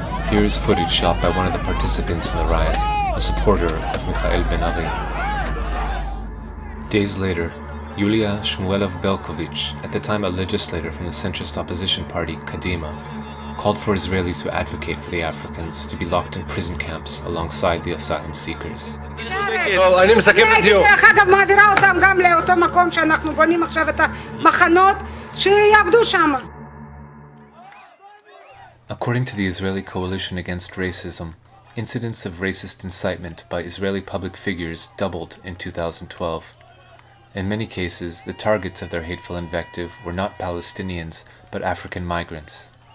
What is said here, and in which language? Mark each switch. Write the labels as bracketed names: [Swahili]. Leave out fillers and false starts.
[English] Here is footage shot by one of the participants in the riot, a supporter of Michael Ben-Ari. Days later, Yulia Shmuelov-Belkovich, at the time a legislator from the centrist opposition party Kadima, called for Israelis who advocate for the Africans to be locked in prison camps alongside the asylum seekers. [Hebrew] אני מסכם את הדיון. דרך אגב, מעבירה אותם גם לאותו מקום שאנחנו בונים עכשיו את המחנות, שיעבדו שם. [English] According to the Israeli Coalition Against Racism, Incidents of racist incitement by Israeli public figures doubled in 2012. In many cases, the targets of their hateful invective were not Palestinians, but African migrants.